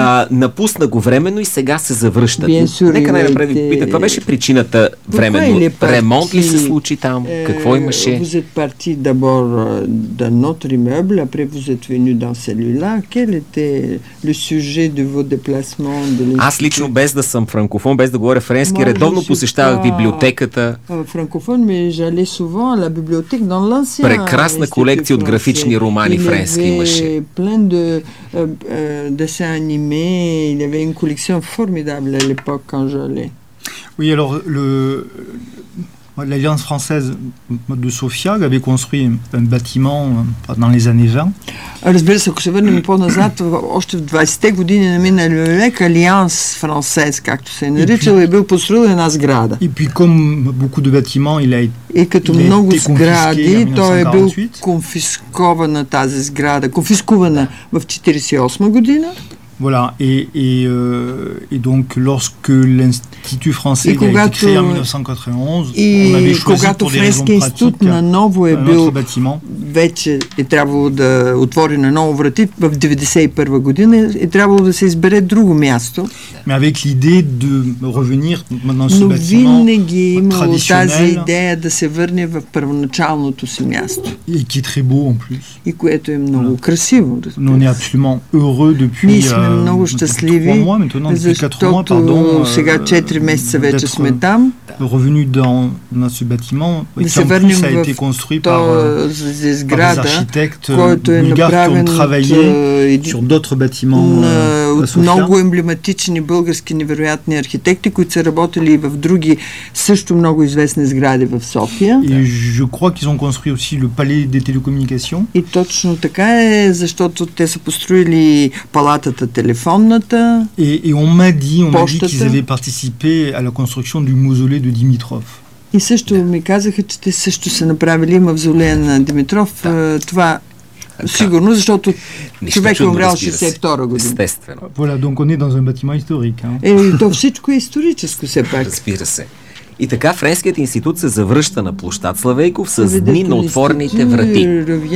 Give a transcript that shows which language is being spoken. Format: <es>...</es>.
<bg>Напусна го временно и сега се завръща. Нека най-напред ви попита, това беше причината временно. Ремонт ли се случи там? Какво имаше?</bg> <fr>Vous êtes parti d'abord d'un notre immeuble, après vous êtes venu dans celui-là. Quel était le sujet de vos déplacements de</fr> <bg>l'Institut? Аз лично, без да съм франкофон, без да говоря френски, редовно посещавах библиотеката. Прекрасна колекция от графични романи френски имаше.</bg> <fr>Plein de dessins animés, il y avait une collection formidable à l'époque quand j'allais. Oui, alors l'Alliance française de Sofia avait construit un bâtiment dans les années 20.</fr> <bg>Разбира се, ако се върнем по-назад, още в 20-те години на миналия век, Алианс Францез, както се е наричал, е бил построил една сграда.</bg> <fr>И puis comme beaucoup de bâtiments, il a été confisqué.</fr> <bg>И като много сгради, той е бил конфискована тази сграда, конфискувана в 48-ма година.</bg> <fr>Voilà, et donc lorsque l'Institut français a été créé en 1991, on avait choisi pour des raisons pratiques notre bâtiment.</fr> <bg>Вече е трябвало да отвори на ново врати в 91-а година и трябвало да се избере друго място.</bg> <fr>Mais avec l'idée de revenir maintenant sur bâtiment.</fr> <bg>Но винаги имало тази идея да се върне в първоначалното си място.</bg> <fr>Et qui est très beau en plus.</fr> <bg>И което е много красиво.</bg> <fr>Nous on est absolument heureux depuis</fr> <bg>много щастливи, защото сега 4 месеца вече сме там.</bg> <fr>Revenu dans ce bâtiment, qui en plus a été construit par des architectes bulgares qui ont travaillé sur d'autres bâtiments à Sofia.</fr> <bg>Много емблематични български невероятни архитекти, които са работили в други също много известни сгради в София.</bg> <fr>Et je crois qu'ils ont construit aussi le palais des télécommunications.</fr> <bg>И точно така е, защото те са построили палатата телефонната.</bg> <fr>Et on m'a dit, qu'ils avaient participé à la construction du mausolée de Димитров.</fr> <bg>И също ми казаха, че те също са направили мавзолея на Димитров. Това сигурно, защото човек е умрял 62-а година. Естествено.</bg> <fr>Voilà, donc on est dans un bâtiment historique.</fr> <bg>То всичко е историческо все пак. Разбира се. И така Френският институт се завръща на площад Славейков с дни на отворените врати.</bg>